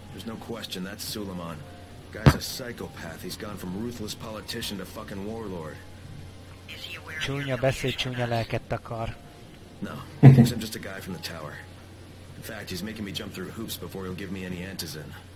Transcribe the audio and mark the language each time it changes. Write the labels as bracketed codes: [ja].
[en] There's no question, that's Suleiman. Guy's a psychopath. He's gone from ruthless politician to fucking warlord. [hu] Csúnya beszéd, csúnya lelket takar. [en] No. He thinks I'm just a guy from the tower. In fact, he's making me jump through hoops before he'll give me any antizin.